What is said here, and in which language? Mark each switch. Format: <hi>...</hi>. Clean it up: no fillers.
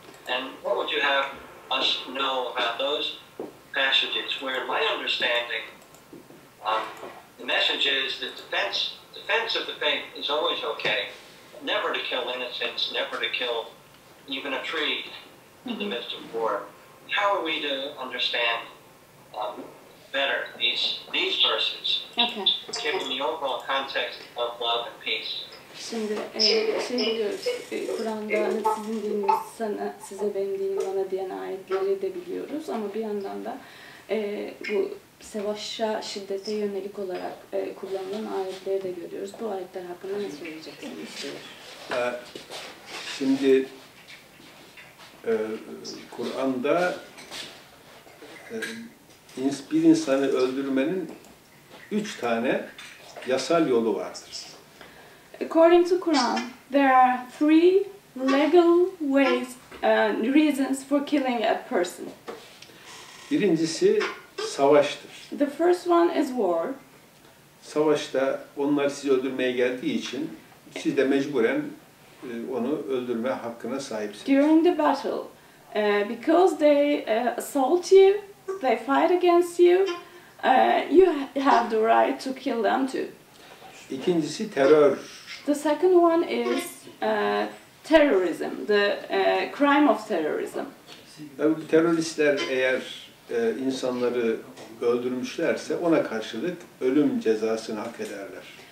<en>And what would you have us know about those passages, where my understanding, the message is that defense of the faith is always okay, never to kill innocents, never to kill even a tree in the midst of war. How are we to understand better these verses, given the overall context of love and peace?</en> <tr>Şimdi şimdi diyoruz Kur'an'da hani sizin dininiz sana, size benim dinim bana diyen ayetleri de biliyoruz ama bir yandan da bu savaşa şiddete yönelik olarak kullanılan ayetleri de görüyoruz. Bu ayetler hakkında ne söyleyeceksiniz? Şimdi Kur'an'da bir insanı öldürmenin 3 tane yasal yolu vardır.</tr> <en>According to Quran, there are 3 legal ways and reasons for killing a person.</en> <tr>Birincisi savaştır.</tr> <en>The first one is war.</en> <tr>Savaşta onlar sizi öldürmeye geldiği için siz de mecburen onu öldürme hakkına sahipsiniz.</tr> <en>During the battle, because they assault you, they fight against you, you have the right to kill them too.</en> <tr>İkincisi terör.</tr> <en>The second one is terrorism, the crime of terrorism.</en> <tr>Teröristler eğer insanları öldürmüşlerse ona karşılık ölüm cezasını hak ederler.</tr>